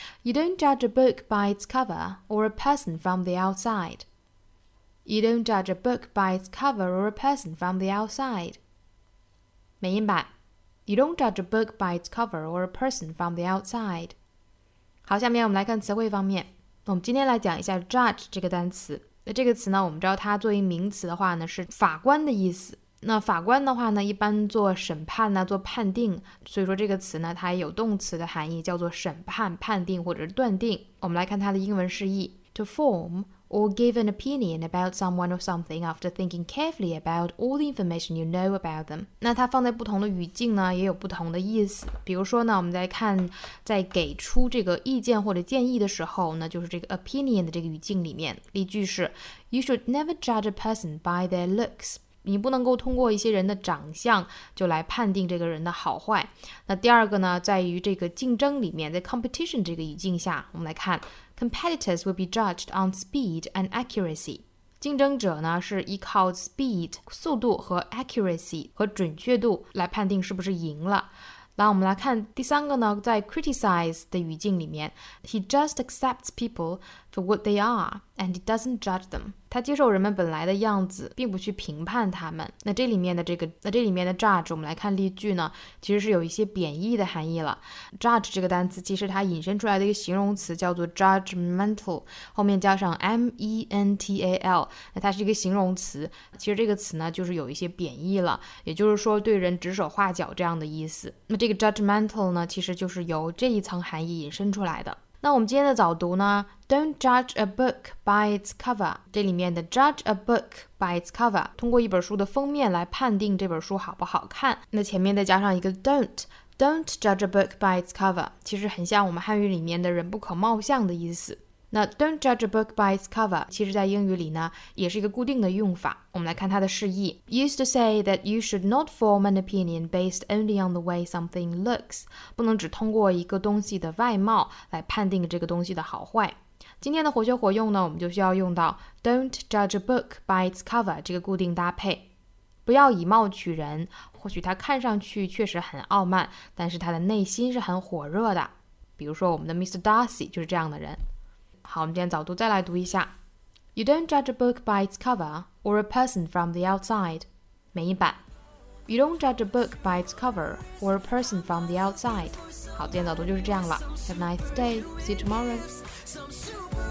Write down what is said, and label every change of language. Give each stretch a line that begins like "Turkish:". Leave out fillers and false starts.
English: You don't judge a book by its cover or a person from the outside. You don't judge a book by its cover or a person from the outside.
Chinese: 美音版
English: You don't judge a book by its cover or a person from the outside.
Chinese: 好，下面我们来看词汇方面。我们今天来讲一下 judge 这个单词。那这个词呢，我们知道它作为名词的话呢，是法官的意思。那法官的话呢，一般做审判呢，做判定。所以说这个词呢，它也有动词的含义，叫做审判、判定或者是断定。我们来看它的英文释义
English: To form or give an opinion about someone or something after thinking carefully about all the information you know about them.
Chinese: 那它放在不同的语境呢，也有不同的意思。比如说呢，我们在看，在给出这个意见或者建议的时候呢，就是这个 opinion 的这个语境里面。
English: 例句是 You should never judge a person by their looks.
Chinese: 你不能够通过一些人的长相就来判定这个人的好坏。那第二个呢，在于这个竞争里面，在 competition 这个语境下，我们来看
English: Competitors will be judged on speed and accuracy.
Chinese: 竞争者呢是依靠 speed 速度和 accuracy 和准确度来判定是不是赢了。那我们来看第三个呢，在
English: criticize
Chinese: 的语境里面
English: ，He just accepts people for what they are and he doesn't judge them.
Chinese: 他接受人们本来的样子，并不去评判他们。那这里面的这个，那这里面的 judge， 我们来看例句呢，其实是有一些贬义的含义了。 judge 这个单词其实它引申出来的一个形容词叫做 judgmental， 后面加上 mental， 那它是一个形容词。其实这个词呢，就是有一些贬义了，也就是说对人指手画脚这样的意思。那这个 judgmental 呢，其实就是由这一层含义引申出来的。那我们今天的早读呢
English: Don't judge a book by its cover，
Chinese: 这里面的
English: judge a book by its cover，
Chinese: 通过一本书的封面来判定这本书好不好看。那前面再加上一个
English: don't judge a book by its cover，
Chinese: 其实很像我们汉语里面的人不可貌相的意思。那
English: don't judge a book by its cover
Chinese: 其实在英语里呢也是一个固定的用法。我们来看它的释义。
English: Used to say that you should not form an opinion based only on the way something looks.
Chinese: 不能只通过一个东西的外貌来判定这个东西的好坏。今天的活学活用呢我们就需要用到
English: don't judge a book by its cover
Chinese: 这个固定搭配。不要以貌取人，或许它看上去确实很傲慢，但是它的内心是很火热的。比如说我们的 Mr. Darcy 就是这样的人。好，我们今天早读再来读一下。
English: You don't judge a book by its cover or a person from the outside.
Chinese: 每一版。
English: You don't judge a book by its cover or a person from the outside.
Chinese: 好，今天早读就是这样了。
English: Have a nice day. See you tomorrow.